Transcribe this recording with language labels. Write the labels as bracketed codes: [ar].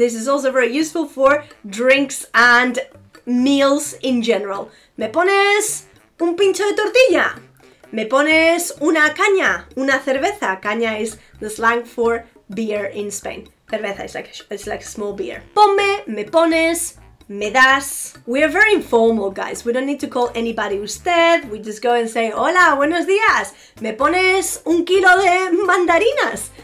[en] This is also very useful for drinks and meals in general. [es] Me pones un pincho de tortilla, me pones una caña, una cerveza. [en] Caña is the slang for beer in Spain. Cerveza is like a, it's like a small beer. [es] Ponme, me pones. Me das. [en] We are very informal, guys. We don't need to call anybody usted. We just go and say, [es] hola, buenos días. Me pones un kilo de mandarinas.